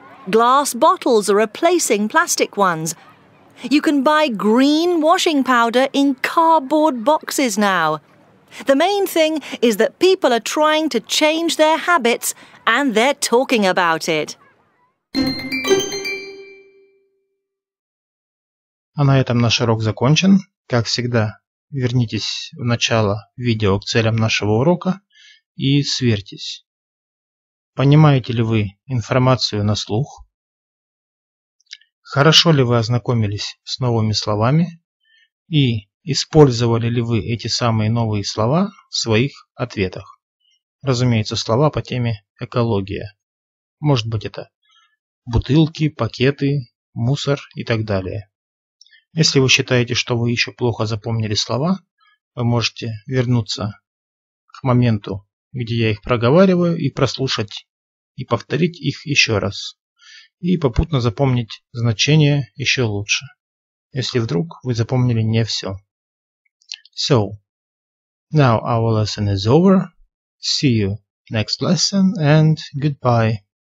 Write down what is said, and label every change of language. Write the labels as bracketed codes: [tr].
[en] Glass bottles are replacing plastic ones. You can buy green washing powder in cardboard boxes now. The main thing is that people are trying to change their habits and they're talking about it. [ru] А на этом наш урок закончен. Как всегда, вернитесь в начало видео к целям нашего урока и сверьтесь. Понимаете ли вы информацию на слух? Хорошо ли вы ознакомились с новыми словами и использовали ли вы эти самые новые слова в своих ответах? Разумеется, слова по теме экология. Может быть, это бутылки, пакеты, мусор и так далее. Если вы считаете, что вы еще плохо запомнили слова, вы можете вернуться к моменту, где я их проговариваю, и прослушать и повторить их еще раз. И попутно запомнить значение еще лучше, если вдруг вы запомнили не все. [en] So, now our lesson is over. See you next lesson and goodbye.